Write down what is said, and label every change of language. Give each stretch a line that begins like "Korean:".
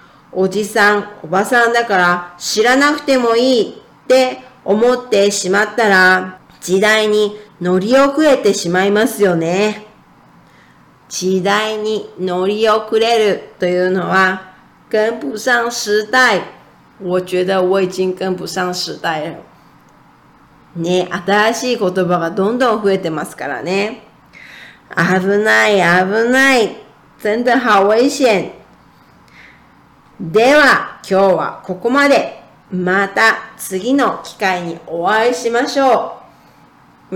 Japanese: おじさん、おばさんだから知らなくてもいいって思ってしまったら、時代に乗り遅れてしまいますよね。時代に乗り遅れるというのは、
Chinese: 跟不上時代。我觉得我已经跟不上时代了。
Japanese: ね、新しい言葉がどんどん増えてますからね。危ない、危ない。
Chinese: 真的好危险。
Japanese: では、今日はここまで。また次の機会にお会いしましょう。